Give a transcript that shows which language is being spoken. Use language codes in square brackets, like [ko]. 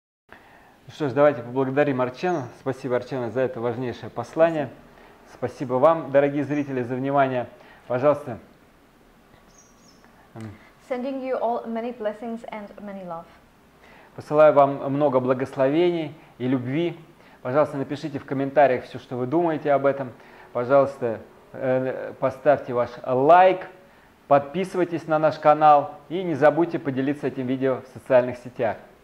[ru] Ну что ж, давайте поблагодарим Арчену. Спасибо, Арчена, за это важнейшее послание. Спасибо вам, дорогие зрители, за внимание. Пожалуйста. [en] Sending you all many blessings and many love. [ru] Посылаю вам много благословений и любви. Пожалуйста, напишите в комментариях все, что вы думаете об этом. Пожалуйста, поставьте ваш лайк, подписывайтесь на наш канал и не забудьте поделиться этим видео в социальных сетях.